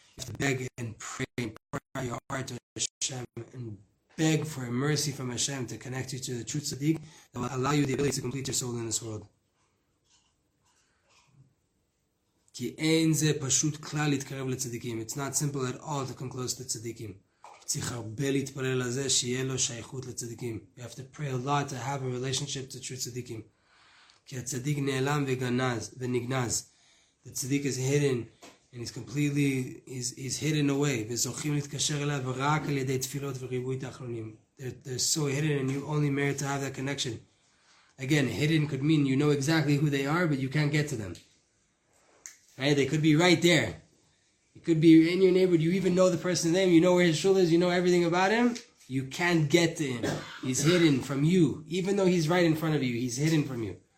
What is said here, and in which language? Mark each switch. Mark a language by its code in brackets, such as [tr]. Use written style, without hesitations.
[en] You have to beg and pray and pour out your heart to Hashem and beg for a mercy from Hashem to connect you to the true tzaddik that will allow you the ability to complete your soul in this world. [he] כי אין זה פשוט כלל להתקרב לצדיקים. [en] It's not simple at all to come close to צדיקים. [he] צריך הרבה להתפלל לזה שיהיה לו שייכות לצדיקים. [en] You have to pray a lot to have a relationship to true צדיקים. [he] כי הצדיק נעלם ונגנז. [en] The צדיק is hidden and he's hidden away. [he] וזוכים להתקשר אליו רק על ידי תפילות וריבוי תחנונים. [en] They're so hidden and you only merit to have that connection. Again, hidden could mean you know exactly who they are, but you can't get to them. Right? They could be right there. It could be in your neighborhood. You even know the person's name. You know where his shul is. You know everything about him. You can't get to him. He's hidden from you. Even though he's right in front of you, he's hidden from you.